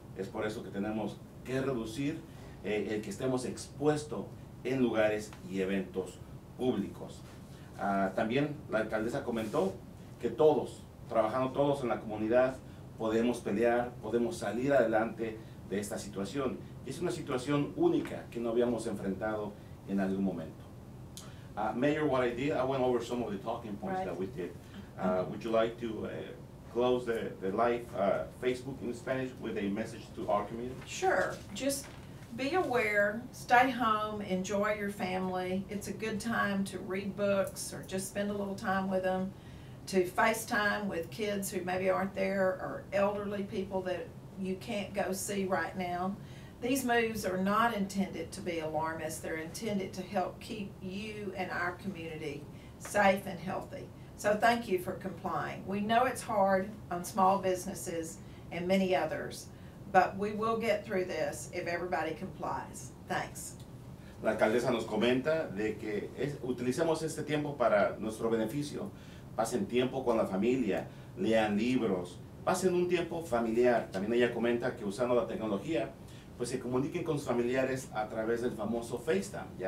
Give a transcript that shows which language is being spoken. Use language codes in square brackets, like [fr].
[es] Es por eso que tenemos que reducir el que estemos expuestos en lugares y eventos públicos. También la alcaldesa comentó que todos, trabajando todos en la comunidad, podemos pelear, podemos salir adelante de esta situación. Es una situación única que no habíamos enfrentado en algún momento. [en] Mayor, what I did, I went over some of the talking points right. that we did. Would you like to close the live Facebook in Spanish with a message to our community? Sure. Just be aware, stay home, enjoy your family. It's a good time to read books or just spend a little time with them, to FaceTime with kids who maybe aren't there or elderly people that you can't go see right now. These moves are not intended to be alarmist. They're intended to help keep you and our community safe and healthy. So thank you for complying. We know it's hard on small businesses and many others, but we will get through this if everybody complies. Thanks. [es] La alcaldesa nos comenta de que utilicemos este tiempo para nuestro beneficio. Pasen tiempo con la familia, lean libros, pasen un tiempo familiar. También ella comenta que usando la tecnología, pues se comuniquen con sus familiares a través del famoso FaceTime.